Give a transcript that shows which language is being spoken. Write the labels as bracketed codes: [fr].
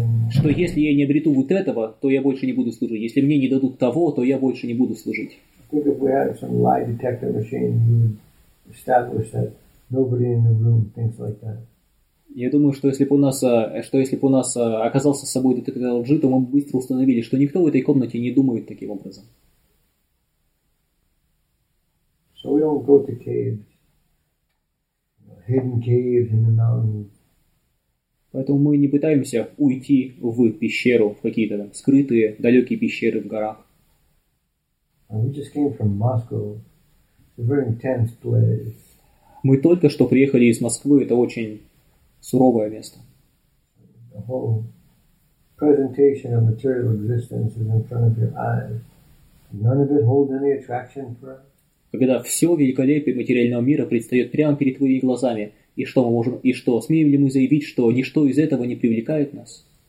[ru] Что если я не обрету вот этого, то я больше не буду служить. Если мне не дадут того, то я больше не буду служить. [en] I think if we had some lie detector machine, we would establish that. Nobody in the room thinks like that. [ru] Я думаю, что если бы у нас оказался с собой детектор лжи, то мы бы быстро установили, что никто в этой комнате не думает таким образом. [en] So we don't go to caves. hidden cave in the mountains. [ru] Поэтому мы не пытаемся уйти в пещеру, в какие-то там скрытые, далекие пещеры в горах. [en] We just came from Moscow. It's a very intense place. [ru] Мы только что приехали из Москвы, это очень суровое место. [en] The whole presentation of material existence is in front of your eyes. None of it holds any attraction for us. [ru] Когда все великолепие материального мира предстает прямо перед твоими глазами, и что мы можем, и что смеем ли мы заявить, что ничто из этого не привлекает нас?